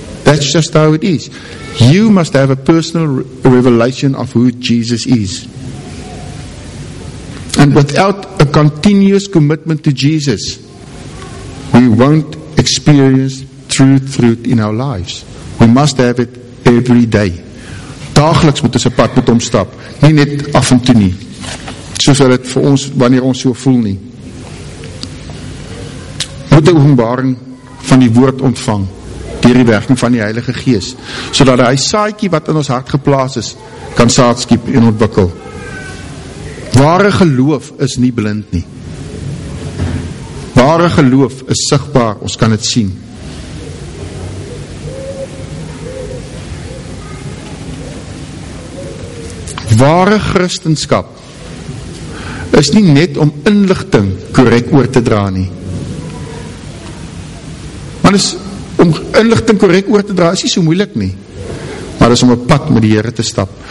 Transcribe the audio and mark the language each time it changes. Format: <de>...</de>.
<en>That's just how it is. You must have a personal revelation of who Jesus is. And without a continuous commitment to Jesus, we won't experience truth in our lives. We must have it every day.</en> <af>Dagliks moet ons 'n pad met hom stap, nie net af en toe nie. Soos wat dit vir ons, wanneer ons so voel nie. Moet die openbaring van die woord ontvang, deur die werking van die Heilige Gees, sodat hy saadjie wat in ons hart geplaas is, kan saad skiep en ontwikkel. Ware geloof is nie blind nie. Ware geloof is sigbaar, ons kan het sien. Ware Christenskap is nie net om inligting korrek oor te dra nie. Maar is om inligting korrek oor te dra is nie so moeilik nie. Maar is om een pad met die Here te stap.</af>